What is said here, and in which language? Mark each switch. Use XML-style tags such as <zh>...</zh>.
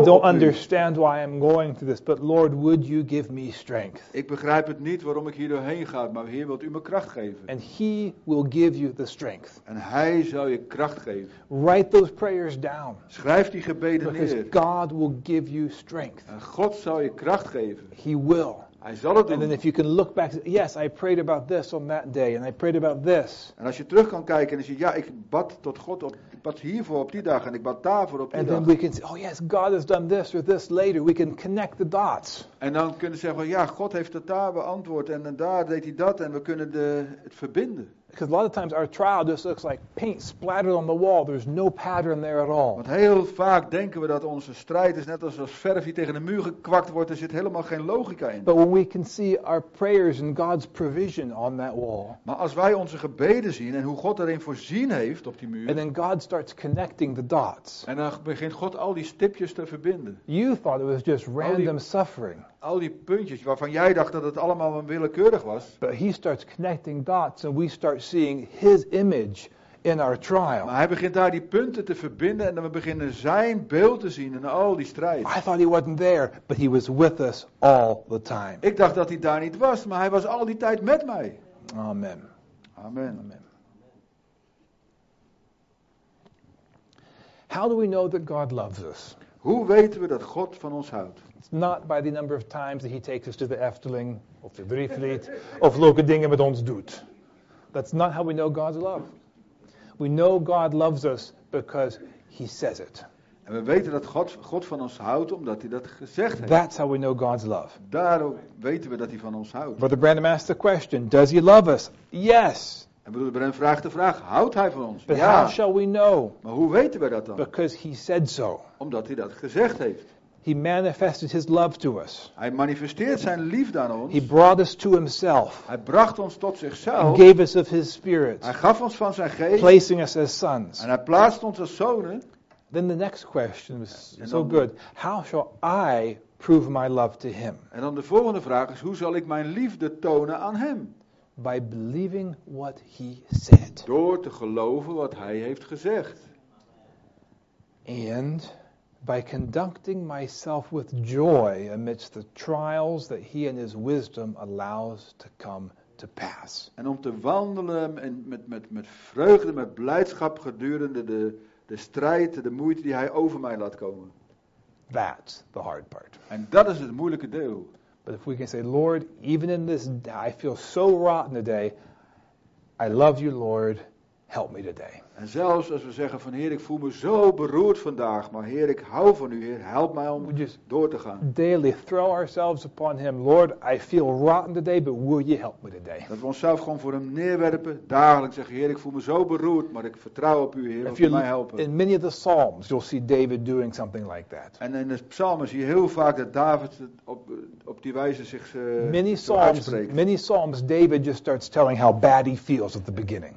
<en>I don't understand why I'm going through this, but Lord, would you give me strength?</en> <nl>Ik begrijp het niet waarom ik hier doorheen ga, maar Heer, wilt u me kracht geven?</nl> <en>And he will give you the strength.</en> <nl>En hij zal je kracht geven.</nl> <en>Write those prayers down.</en> <nl>Schrijf die gebeden neer.</nl> <en>Because God will give you strength.</en> <nl>En God zal je kracht geven.</nl> <en>He will.</en> <nl>Hij zal het doen.</nl> <en>And then if you can look back, yes, I prayed about this on that day, and I prayed about this.</en> <nl>En als je terug kan kijken en je ziet, ja, ik bad tot God op, ik bad hiervoor op die dag en ik bad daarvoor op die</nl> <en>and</en> <nl>dag.</nl> <en>And then we can say, oh yes, God has done this or this later. We can connect the dots.</en> <nl>En dan kunnen we zeggen, ja, God heeft dat daar beantwoord en daar deed hij dat en we kunnen het verbinden.</nl> <en>Because a lot of times our trial just looks like paint splattered on the wall. There's no pattern there at all.</en> <nl>Want heel vaak denken we dat onze strijd is net als verf die tegen de muur gekwakt wordt. Er zit helemaal geen logica in.</nl> <en>But when we can see our prayers and God's provision on that wall.</en> <nl>Maar als wij onze gebeden zien en hoe God erin voorzien heeft op die muur.</nl> <en>And then God starts connecting the dots.</en> <nl>En dan begint God al die stipjes te verbinden.</nl> <en>You thought it was just random suffering.</en> <nl>Al die puntjes waarvan jij dacht dat het allemaal willekeurig was.</nl> <en>But he starts connecting dots and we start seeing his image in our trial.</en> <nl>Maar hij begint daar die punten te verbinden en dan we beginnen zijn beeld te zien in al die strijd.</nl> <en>I thought he wasn't there, but he was with us all the time.</en> <nl>Ik dacht dat hij daar niet was, maar hij was al die tijd met mij.</nl> <en>Amen.</en> <nl>Amen.</nl> <en>Amen. How do we know that God loves us?</en> <nl>Hoe weten we dat God van ons houdt?</nl> <en>It's not by the number of times that he takes us to the Efteling, of the Drievliet, of</en> <nl>leuke dingen met ons doet.</nl> <en>That's not how we know God's love. We know God loves us because he says it.</en> <nl>En we weten dat God van ons houdt omdat hij dat gezegd heeft.</nl> <en>That's how we know God's love.</en> <nl>Daarom weten we dat hij van ons houdt.</nl> <en>Brother Branham asked the question, does he love us? Yes.</en> <nl>En bedoel, Branham vraagt de vraag, houdt hij van ons?</nl> <en>But</en> <nl>ja.</nl> <en>How shall we know?</en> <nl>Maar hoe weten we dat dan?</nl> <en>Because he said so.</en> <nl>Omdat hij dat gezegd heeft.</nl> <en>He manifested his love to us.</en> <nl>Hij manifesteert zijn liefde aan ons.</nl> <en>He brought us to himself.</en> <nl>Hij bracht ons tot zichzelf.</nl> <en>He gave us of his spirit.</en> <nl>Hij gaf ons van zijn geest.</nl> <en>Placing us as sons.</en> <nl>En hij plaatst ons als zonen.</nl> <en>Then the next question was so good. How shall I prove my love to him?</en> <nl>En dan de volgende vraag is, hoe zal ik mijn liefde tonen aan hem?</nl> <en>By believing what he said.</en> <nl>Door te geloven wat hij heeft gezegd.</nl> <en>And by conducting myself with joy amidst the trials that he in his wisdom allows to come to pass.</en> <nl>En om te wandelen en met vreugde, met blijdschap gedurende de strijd, de moeite die hij over mij laat komen.</nl> <en>That's the hard part.</en> <nl>En dat is het moeilijke deel.</nl> <en>But if we can say, Lord, even in this, I feel so rotten today, I love you, Lord, Help me today.</en> <nl>En zelfs als we zeggen van Heer, ik voel me zo beroerd vandaag, maar Heer, ik hou van U, Heer, help mij om door te gaan.</nl> <en>Daily throw ourselves upon Him, Lord, I feel rotten today, but will You help me today?</en> <nl>Dat we onszelf gewoon voor Hem neerwerpen, dagelijks zeggen, Heer, ik voel me zo beroerd, maar ik vertrouw op U, Heer, wilt U mij helpen?</nl> <en>In many of the Psalms, you'll see David doing something like that.</en> <nl>En in de Psalmen zie je heel vaak dat David op die wijze zich</nl> <en>many Psalms,</en> <nl>uitspreekt.</nl> <en>Many Psalms, David just starts telling how bad he feels at the beginning.</en>